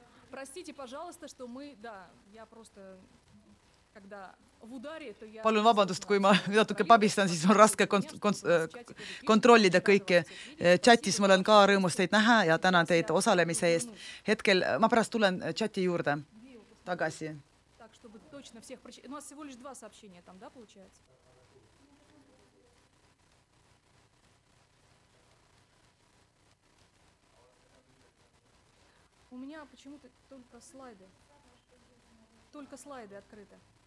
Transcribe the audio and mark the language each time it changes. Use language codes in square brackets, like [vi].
[ru] Простите, пожалуйста, что мы, да, я просто, когда в ударе, то я... [et] Palun vabandust, kui ma natuke pabistan, siis on raske kontrollida kõike. Chatis ma olen ka rõõmus teid näha ja tänan teid osalemise eest. Hetkel ma pärast tulen chati juurde tagasi. [ru] Так, чтобы точно всех прочитать. У нас всего лишь два сообщения там, да, получается? У меня почему-то только слайды открыты.